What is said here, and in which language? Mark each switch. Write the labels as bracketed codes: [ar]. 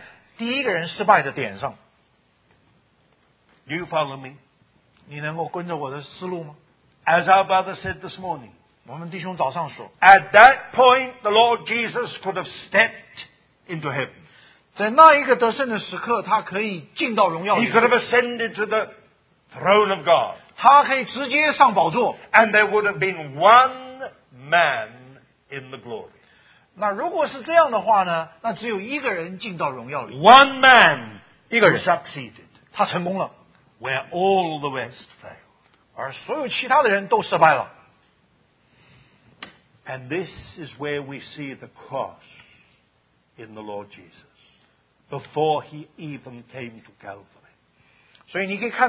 [zh] 他成功了,是成在第一个人失败的点上。 [en] Do you follow me? [zh] 你能够跟着我的思路吗? [en] As our brother said this morning, [zh] 我们弟兄早上说, [en] at that point, the Lord Jesus could have stepped into heaven. [zh] 在那一个得胜的时刻, 他可以进到荣耀里面。 [en] He could have ascended to the throne of God. [zh] 他可以直接上宝座。 [en] And there would have been one man in the glory. [zh] 那如果是这样的话呢, 那只有一个人进到荣耀里。 [en] One man who succeeded. [zh] 他成功了。 [en] Where all the rest failed. [zh] 而所有其他的人都失败了。 [en] And this is where we see the cross in the Lord Jesus before he even came to Calvary.